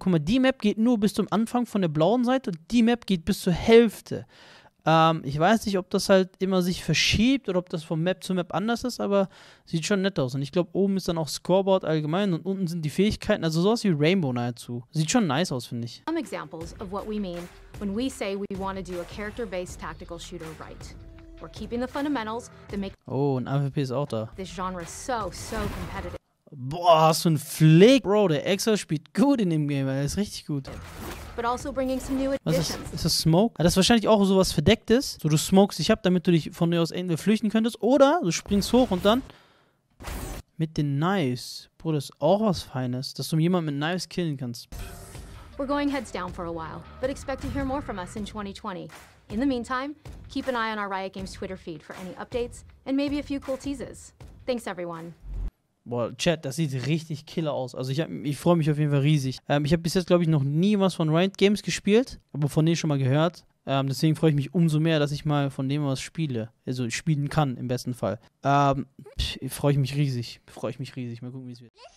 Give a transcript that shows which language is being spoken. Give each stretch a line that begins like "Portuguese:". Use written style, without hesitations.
German: Guck mal, die Map geht nur bis zum Anfang von der blauen Seite und die Map geht bis zur Hälfte. Ich weiß nicht, ob das halt immer sich verschiebt oder ob das von Map zu Map anders ist, aber sieht schon nett aus. Und ich glaube, oben ist dann auch Scoreboard allgemein und unten sind die Fähigkeiten, also sowas wie Rainbow nahezu. Sieht schon nice aus, finde ich.
English: Some examples of what we mean when we say we want to do a character-based tactical shooter right. We're keeping the fundamentals that make.
German: Oh, ein AWP ist auch da.
English: This genre is so, so competitive.
German: Boah, hast du einen Flick? Bro, der Exo spielt gut in dem Game, er ist richtig gut. Also
English: some new.
German: Was ist das? Smoke? Ja, das ist wahrscheinlich auch so was Verdecktes. So, du smokest dich ab, damit du dich von dir aus irgendwie flüchten könntest. Oder du springst hoch und dann. Mit den Knives. Bro, das ist auch was Feines, dass du jemanden mit Knives killen kannst. Wir gehen
English: heads down for a while, but expect to hear more from us in 2020. In the meantime, keep an eye on our Riot Games Twitter feed for any updates and maybe a few cool teases. Thanks everyone.
German: Boah, Chat, das sieht richtig killer aus. Also ich freue mich auf jeden Fall riesig. Ich habe bis jetzt, glaube ich, noch nie was von Riot Games gespielt, aber von denen schon mal gehört. Deswegen freue ich mich umso mehr, dass ich mal von dem was spiele. Also spielen kann, im besten Fall. Freue ich mich riesig. Mal gucken, wie es wird.